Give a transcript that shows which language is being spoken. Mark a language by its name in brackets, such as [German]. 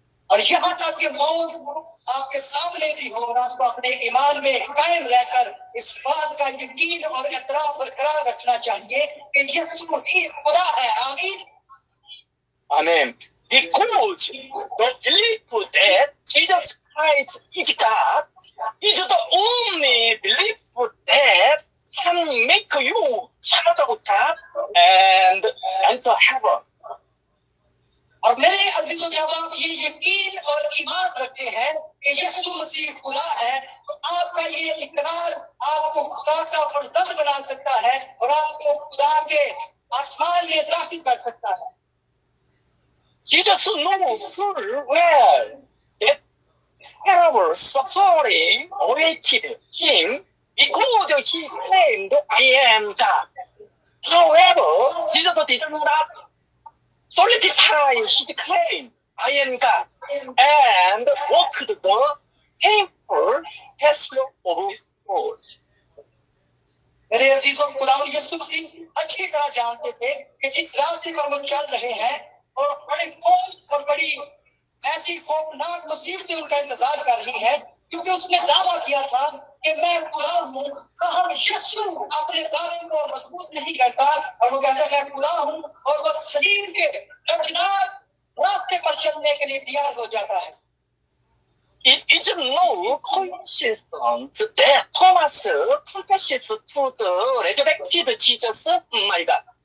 [Hindi] और यहाँ तक कि मौत आपके सामने भी हो, आप अपने ईमान में कायम रहकर इस बात का यकीन और एतराफ बरकरार रखना चाहिए कि यीशु ही खुदा है। आमीन। आमीन। [English] Because the belief that Jesus Christ is God is the only belief that can make you child of God and enter heaven. [Hindi] और मेरे अजीजों जब आप ये यकीन और ईमान रखते हैं कि यीशु मसीह खुदा है तो आपका ये इकरार आपको खुदा का फर्जंद बना सकता है और आपको खुदा के आसमान में दाखिल कर सकता है। [English] Jesus knows full well that terrible suffering awaited him because he claimed I am God. However, Jesus did not solidify his claim, I am God, and walked the painful hassle of his cross. [Hindi] मेरे अजीज और खुदावर यीशु मसीह अच्छी तरह जानते थे कि जिस रास्ते पर वो चल रहे हैं और बड़े मौत और बड़ी ऐसी खौफनाक मुसीबतें उनका इंतजार कर रही है, क्योंकि उसने दावा किया था कि मैं खुदा हूँ, कहा यीशु अपने दावे को मजबूत नहीं करता, और वो कहता मैं खुदा हूँ और वह शरीर के दर्दनाक रास्ते पर चलने के लिए तैयार हो जाता है. [English] It is no coincidence that Thomas confesses to the resurrected Jesus, my God.